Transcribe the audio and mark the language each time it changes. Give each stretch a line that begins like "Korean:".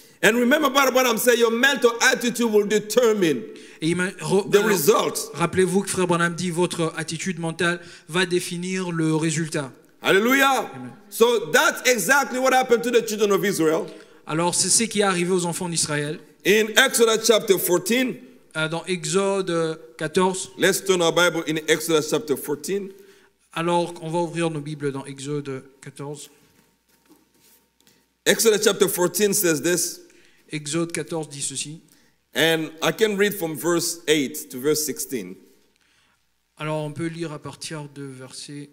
English: And remember about what I'm saying, your mental attitude will determine.
French: Et
English: the results.
French: Rappelez-vous que Frère Branham dit votre attitude mentale va définir le résultat. Alléluia.
English: So that's exactly what happened to the children of Israel.
French: Alors c'est ce qui est arrivé aux enfants d'Israël.
English: In Exodus chapter 14.
French: Dans Exode 14.
English: Let's turn our Bible in Exodus chapter 14.
French: Alors on va ouvrir nos Bibles dans Exode 14.
English: Exodus chapter 14 says this.
French: Exode 14 dit ceci.
English: And I can read from verse 8 to verse 16.
French: Alors on peut lire à partir de verset